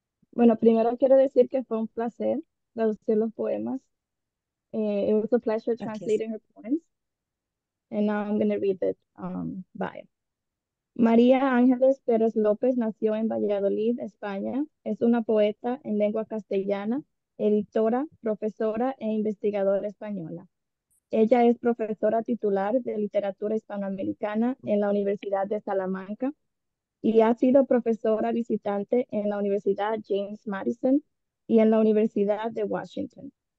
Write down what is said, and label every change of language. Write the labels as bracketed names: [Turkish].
[Spanish] Bueno, primero quiero decir que fue un placer traducir los poemas. [English] It was a pleasure translating her poems. And now I'm going to read it by. [Spanish] María Ángeles Pérez López nació en Valladolid, España. Es una poeta en lengua castellana, editora, profesora e investigadora española. Ella es profesora titular de literatura hispanoamericana en la Universidad de Salamanca y ha sido profesora visitante en la Universidad James Madison y en la Universidad de Washington.